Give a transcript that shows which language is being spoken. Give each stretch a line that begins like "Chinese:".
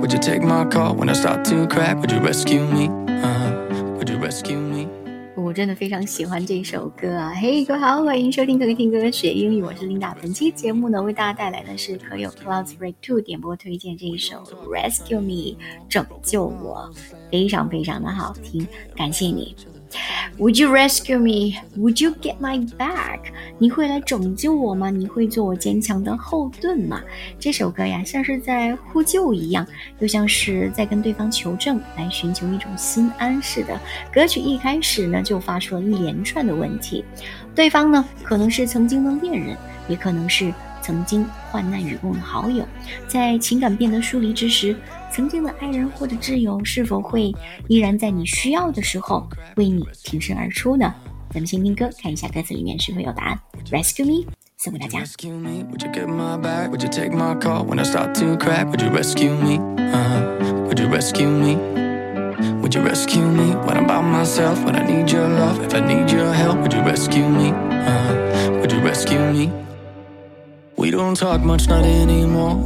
English: Would you take my call when I start to crack? Would you rescue me? Would you rescue me?
Chinese: 我真的非常喜欢这首歌啊！嘿，各位好，欢迎收听可可听歌学英语，我是 Linda。本期节目呢，为大家带来的是可有 Clouds Break Two 点播推荐这一首 Rescue Me 拯救我，非常非常的好听，感谢你。
English: Would you rescue me? Would you get my back?
Chinese: 你会来拯救我吗？你会做我坚强的后盾吗？这首歌呀，像是在呼救一样，又像是在跟对方求证，来寻求一种心安似的。歌曲一开始呢，就发出了一连串的问题，对方呢，可能是曾经的恋人，也可能是曾经患难与共的好友。在情感变得疏离之时，曾经的爱人或者挚友是否会依然在你需要的时候为你挺身而出呢？咱们先听歌，看一下歌词里面是否有答案。
English: Rescue me
Chinese: 送给大家。
English: Rescue me, would you get my back? Would you take my call when I start to crack? Would you rescue me? Would you rescue me? Would you rescue me when I'm by myself? When I need your love, if I need your help, would you rescue me? Would you rescue me? We don't talk much, not anymore.